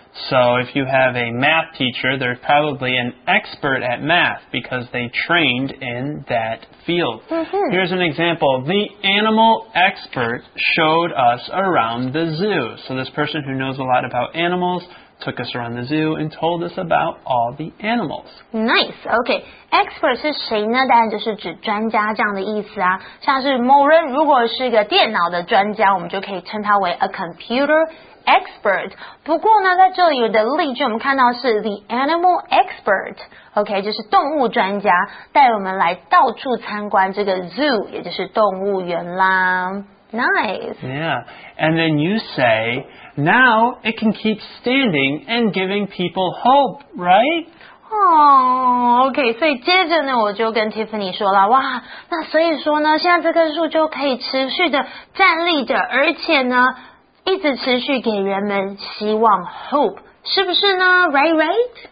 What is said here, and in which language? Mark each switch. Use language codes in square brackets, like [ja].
[en] So if you have a math teacher, they're probably an expert at math because they trained in that field. Mm-hmm. Here's an example. The animal expert showed us around the zoo. So this person who knows a lot about animals took us around the zoo and told us about all the animals. Nice. Okay. Expert [zh] 是谁呢？当然就是指专家这样的意思啊。像是某人如果是一个电脑的专家，我们就可以称他为 [en] a computer expert。 [zh] 不过呢，在这里的例句我们看到是 [en] the animal expert。 [zh] OK， 就是动物专家带我们来到处参观这个 zoo， 也就是动物园啦。 [en] Nice. Yeah. And then you say, now it can keep standing and giving people hope, right? Oh, okay. [zh] 所以接着呢我就跟 Tiffany 说了哇那所以说呢现在这棵树就可以持续的站立着而且呢一直持续给人们希望 hope, 是不是呢 right?